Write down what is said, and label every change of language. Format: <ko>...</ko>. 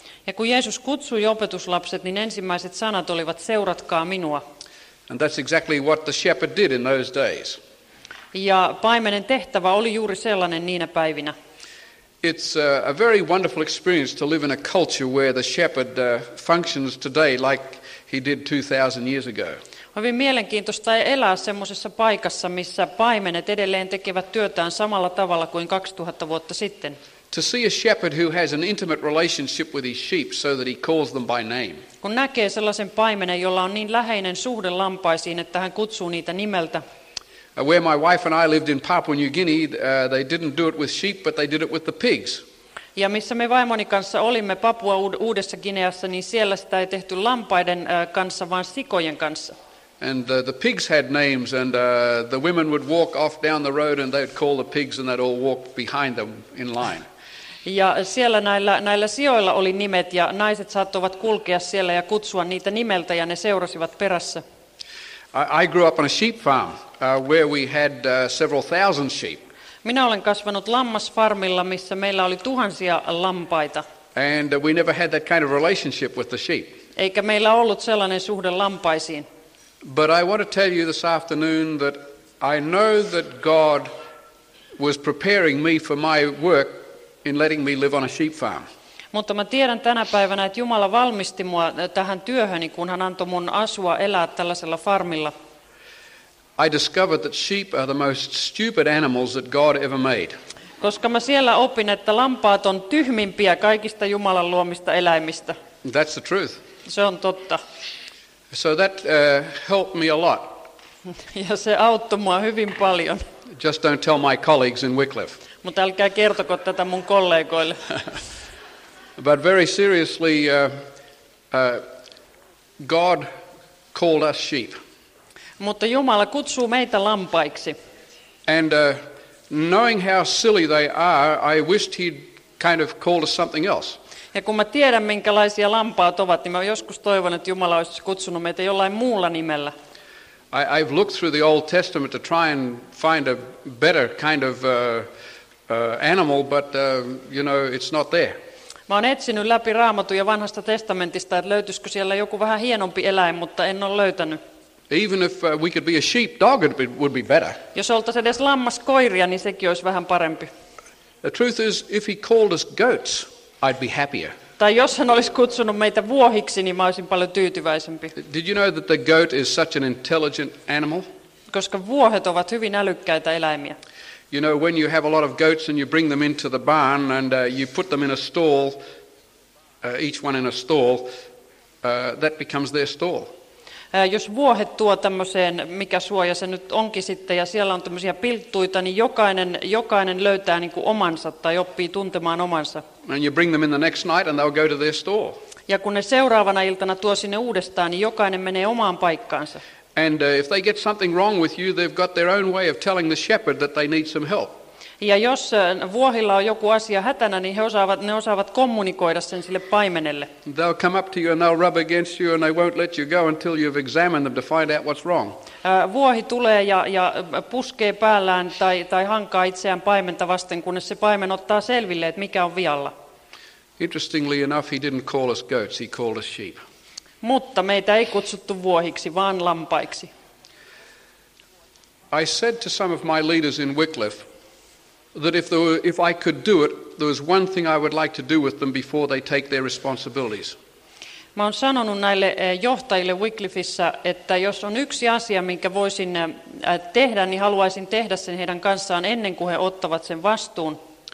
<fi>Ja kun Jeesus kutsui opetuslapset, niin ensimmäiset sanat olivat, seuratkaa minua.</fi> <en>And that's exactly what the shepherd did in those days.</en> <fi>Ja paimenen tehtävä oli juuri sellainen niinä päivinä.</fi> <en>It's a very wonderful experience to live in a culture where the shepherd functions today like he did 2000 years ago.</en> <fi>Hyvin mielenkiintoista elää semmoisessa paikassa, missä paimenet edelleen tekevät työtään samalla tavalla kuin 2000 vuotta sitten.</fi> <en>To see a shepherd who has an intimate relationship with his sheep so that he calls them by name.</en> <fi>Kun näkee sellaisen paimenen, jolla on niin läheinen suhde lampaisiin, että hän kutsuu niitä nimeltä.</fi> <en>Where my wife and I lived in Papua New Guinea, they didn't do it with sheep, but they did it with the pigs.</en> <fi>Ja missä me vaimoni kanssa olimme Papua Uudessa Guineassa, niin siellä sitä ei tehty lampaiden kanssa, vaan sikojen kanssa.</fi> <en>And the pigs had names, and the women would walk off down the road, and they'd call the pigs, and they'd all walk behind them in line.</en> <fi>Ja siellä näillä sijoilla oli nimet, ja naiset saattoivat kulkea siellä ja kutsua niitä nimeltä, ja ne seurasivat perässä.</fi> <en>I grew up on a sheep farm where we had several thousand sheep.</en> <fi>Minä olen kasvanut lammasfarmilla, missä meillä oli tuhansia lampaita.</fi> <en>And we never had that kind of relationship with the sheep.</en> <fi>Eikä meillä ollut sellainen suhde lampaisiin.</fi> <en>But I want to tell you this afternoon that I know that God was preparing me for my work in letting me live on a sheep farm.</en> <fi>Mutta mä tiedän tänä päivänä, että Jumala valmisti mua tähän työhöni, kun hän antoi mun asua elää tällaisella farmilla.</fi> <en>I discovered that sheep are the most stupid animals that God ever made.</en> <fi>Koska mä siellä opin, että lampaat on tyhmimpiä kaikista Jumalan luomista eläimistä.</fi> <en>That's the truth.</en> <fi>Se on totta.</fi> <en>So that helped me a lot.</en> <fi>Ja se auttoi mua hyvin paljon.</fi> <en>Just don't tell my colleagues in Wycliffe.</en> <fi>Mutta älkää kertoko tätä mun kollegoille.</fi> <en>But very seriously, God called us sheep.</en> <fi>Mutta Jumala kutsuu meitä lampaiksi.</fi> <en>And knowing how silly they are, I wished he'd kind of called us something else.</en> <fi>Ja kun mä tiedän, minkälaisia lampaat ovat, niin mä joskus toivon, että Jumala olisi kutsunut meitä jollain muulla nimellä.</fi> <en>I've looked through the Old Testament to try and find a better kind of animal, but you know, it's not there.</en> <fi>Mä oon etsinyt läpi Raamatun ja Vanhasta testamentista, että löytyisikö siellä joku vähän hienompi eläin, mutta en ole löytänyt.</fi> <en>Even if we could be a sheep dog, it would be better.</en> <fi>Jos oltaisiin edes lammaskoiria, niin sekin olisi vähän parempi.</fi> <en>The truth is, if he called us goats, I'd be happier.</en> <fi>Tai jos hän olisi kutsunut meitä vuohiksi, niin mä olisin paljon tyytyväisempi.</fi> <en>Did you know that the goat is such an intelligent animal?</en> <fi>Koska vuohet ovat hyvin älykkäitä eläimiä.</fi> <en>You know, when you have a lot of goats and you bring them into the barn and you put them in a stall, each one in a stall, that becomes their stall.</en> <fi>Jos vuohet tuo tämmöiseen, mikä suoja se nyt onkin sitten, ja siellä on tämmöisiä pilttuita, niin jokainen löytää niin kuin omansa tai oppii tuntemaan omansa.</fi> <en>And you bring them in the next night and they'll go to their stall.</en> <fi>Ja kun ne seuraavana iltana tuo sinne uudestaan, niin jokainen menee omaan paikkaansa.</fi> <en>And if they get something wrong with you, they've got their own way of telling the shepherd that they need some help.</en> <fi>Ja jos vuohilla on joku asia hätänä, niin ne osaavat kommunikoida sen sille paimenelle.</fi> <en>They'll come up to you and they'll rub against you and they won't let you go until you've examined them to find out what's wrong.</en> <fi>Vuohi tulee ja puskee päällään tai hankaa itseään paimenta vasten, kunnes se paimen ottaa selville, että mikä on vialla.</fi> <en>Interestingly enough, he didn't call us goats, he called us sheep.</en> <fi>Mutta meitä ei kutsuttu vuohiksi, vaan lampaiksi.</fi> <en>I said to some of my leaders in Wycliffe that if I could do it, there was one thing I would like to do with them before they take their responsibilities.</en> <fi>Mä oon sanonut näille johtajille Wycliffeissa, että jos on yksi asia, minkä voisin tehdä, niin haluaisin tehdä sen heidän kanssaan ennen kuin he ottavat sen vastuun.</fi>